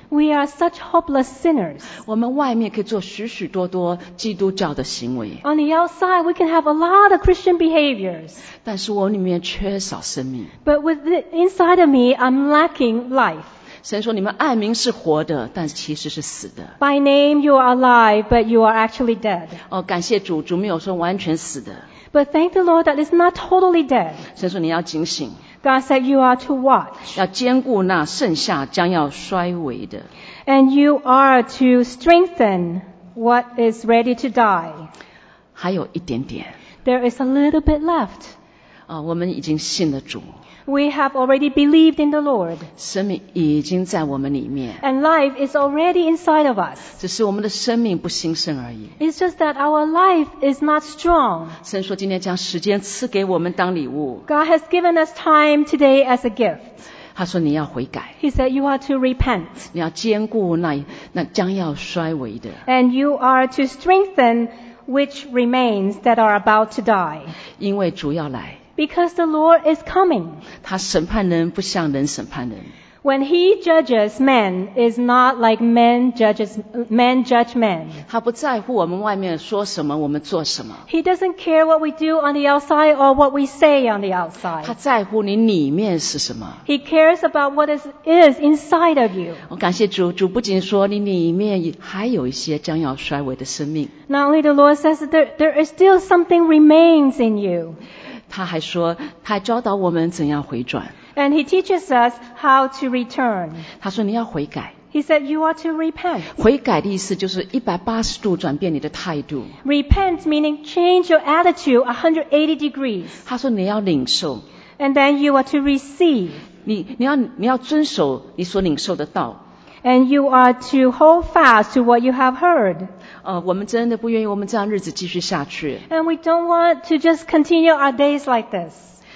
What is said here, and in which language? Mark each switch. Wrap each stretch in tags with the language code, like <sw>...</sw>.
<en>We are such hopeless sinners.</en> <zh>我们外面可以做许许多多基督教的行为。</zh> <en>On the outside, we can have a lot of Christian behaviors.</en> <zh>但是我里面缺少生命。</zh> <en>But inside of me, I'm lacking life.</en> <zh>神说你们爱民是活的但其实是死的。</zh> <en>By name you are alive, but you are actually dead.</en> <zh>哦，感谢主，主没有说完全死的。</zh> <en>But thank the Lord that it's not totally dead.</en> <zh>神说你要警醒。</zh> <en>God said you are to watch.</en> <zh>要坚固那剩下将要衰微的。</zh> <en>And you are to strengthen what is ready to die.</en> <zh>还有一点点。</zh> <en>There is a little bit left.</en> <zh>哦，我们已经信了主。</zh> <en>We have already believed in the Lord.</en> <zh>生命已经在我们里面。</zh> <en>And life is already inside of us.</en> <zh>只是我们的生命不兴盛而已。</zh> <en>It's just that our life is not strong.</en> <zh>神说今天将时间赐给我们当礼物。</zh> <en>God has given us time today as a gift.</en> <zh>他说你要悔改。</zh> <en>He said you are to repent.</en> <zh>你要坚固那将要衰微的。</zh> <en>And you are to strengthen which remains that are about to die.</en> <zh>因为主要来。</zh> <en>Because the Lord is coming.</en> <zh>他审判人不像人审判人。</zh> <en>When he judges men, is not like men judge men.</en> <zh>他不在乎我们外面说什么，我们做什么。</zh> <en>He doesn't care what we do on the outside or what we say on the outside.</en> <zh>他在乎你里面是什么。</zh> <en>He cares about what is inside of you.</en> <zh>我感谢主，主不仅说你里面还有一些将要衰微的生命。</zh> <en>Not only the Lord says that there is still something remains in you.</en> <zh>他还说，他还教导我们怎样回转。</zh> <en>And he teaches us how to return.</en> <zh>他说你要悔改。</zh> <en>He said you are to repent.</en> <zh>悔改的意思就是180度转变你的态度。</zh> <en>Repent meaning change your attitude 180 degrees.</en> <zh>他说你要领受。</zh> <en>And then you are to receive.</en> <zh>你要遵守你所领受的道。</zh> <en>And you are to hold fast to what you have heard.</en> <zh>我们真的不愿意我们这样日子继续下去。</zh> <en>And we don't want to just continue our days like this.</en>